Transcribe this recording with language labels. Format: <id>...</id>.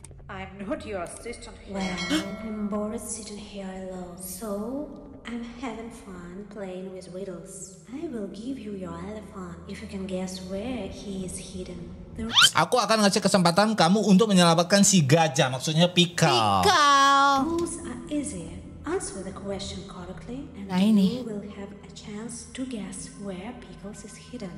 <en>I'm not your assistant here. Well, I'm bored sitting here alone, so I'm having fun playing with Whittles. I will give you your elephant if you can guess where he is hidden.</en> <id>Aku akan ngasih kesempatan kamu untuk menyelamatkan si gajah, maksudnya Pikal. Pikal.</id> <en>Rules are easy. Answer the question correctly and you will have a chance to guess where Pickles is hidden.</en>